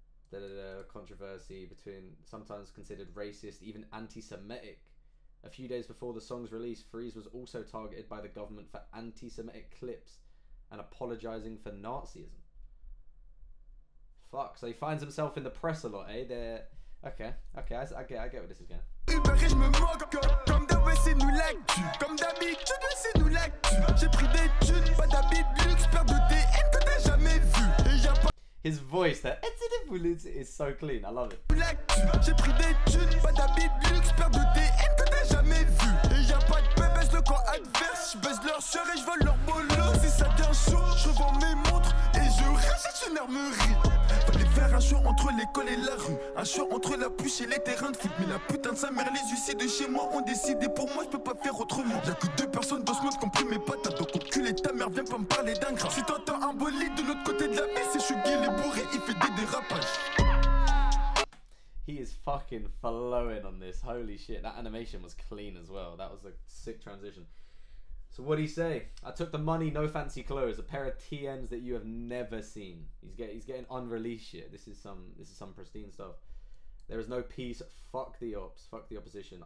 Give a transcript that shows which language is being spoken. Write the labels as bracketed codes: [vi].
[en] The controversy between, sometimes considered racist, even anti-Semitic. A few days before the song's release, Freeze was also targeted by the government for anti-Semitic clips and apologizing for Nazism. Fuck, so he finds himself in the press a lot, eh? They're, okay, I get what this is going. [fr] Uber et je me moque, comme d'hab, c'est nous l'actu. Comme d'habitude, c'est nous l'actu. J'ai pris des thunes, pas d'habit luxe, peur de DM que t'as jamais vu. [en] His voice, that it's so clean. I love it. [fr] J'ai pris des thunes, pas d'habit luxe, peur de DM que t'as jamais vu. Et y'a pas de bébés, le camp adverse. J'baise leur soeur et j'vole leur bolo. Si ça tient chaud, je vends mes montres et je rachète une armerie. Faire un choix entre l'école et la rue. Un choix entre la puce et les terrains de foot. Mais la putain de sa mère, les huissiers de chez moi ont décidé pour moi, je peux pas faire autrement. Y'a que deux personnes dans ce monde qui ont pris mes patates. Donc enculé ta mère, viens pas me parler d'un gras. Si t'entends un bolide de l'autre côté de la vie, c'est Chugui, les bourrés, il fait des dérapages. [en] He is fucking flowing on this, holy shit. That animation was clean as well, that was a sick transition. So what'd he say? I took the money, no fancy clothes, a pair of TNs that you have never seen. He's getting unreleased shit. This is some pristine stuff. There is no peace. Fuck the ops. Fuck the opposition.